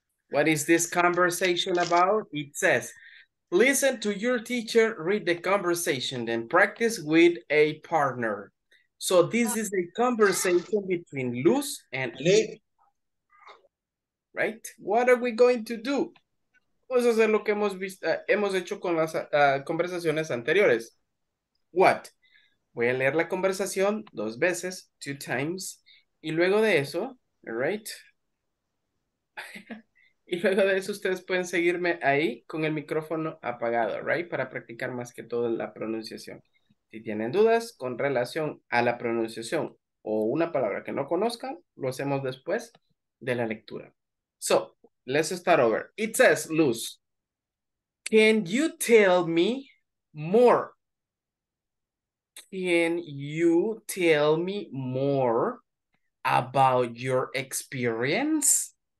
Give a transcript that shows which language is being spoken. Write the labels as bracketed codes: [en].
[en] What is this conversation about? It says, listen to your teacher, read the conversation, then practice with a partner. So this is a conversation between Luz and Lee, right? What are we going to do? [es] Vamos a hacer lo que hemos visto, hemos hecho con las conversaciones anteriores. What? Voy a leer la conversación dos veces, [en] two times, [es] y luego de eso, right? Y luego de eso ustedes pueden seguirme ahí con el micrófono apagado, right? Para practicar más que todo la pronunciación. Si tienen dudas con relación a la pronunciación o una palabra que no conozcan, lo hacemos después de la lectura. [en] So, let's start over. It says, Luz, can you tell me more? Can you tell me more about your experience?